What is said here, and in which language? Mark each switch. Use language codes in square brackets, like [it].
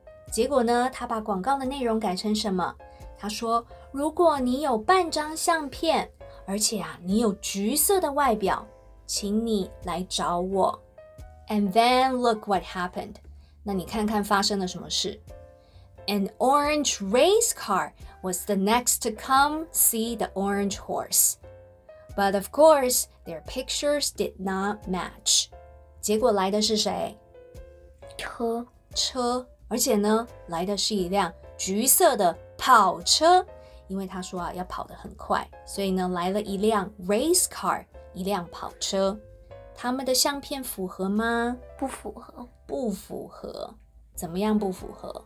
[zh] 结果呢，他把广告的内容改成什么？他说，如果你有半张相片，而且啊，你有橘色的外表。请你来找我。 [en] And then look what happened. [zh] 那你看看发生了什么事。 [en] An orange race car was the next to come see the orange horse. But of course, their pictures did not match. [zh] 结果来的是谁？车。车。而且呢，来的是一辆橘色的跑车。因为他说啊，要跑得很快，所以呢，来了一辆 race car。一辆跑车，他们的相片符合吗？不符合。不符合。怎么样不符合？